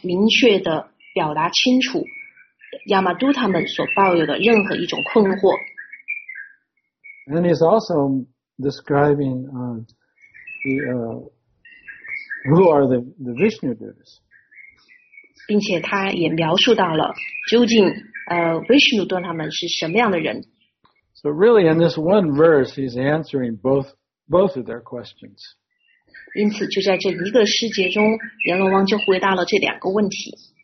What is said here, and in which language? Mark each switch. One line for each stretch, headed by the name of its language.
Chinese: 在今天所说到的这个时节中，阎罗王就是在澄清，在明确地表达清楚 亚玛都他们所抱有的任何一种困惑。
English: And he's also describing who are the Vishnu Devas.
Chinese: 并且他也描述到了究竟Vishnu他们是什么样的人。
English: So really, in this one verse, he's answering both of their questions.
Chinese: 因此就在这一个世界中，阎罗王就回答了这两个问题。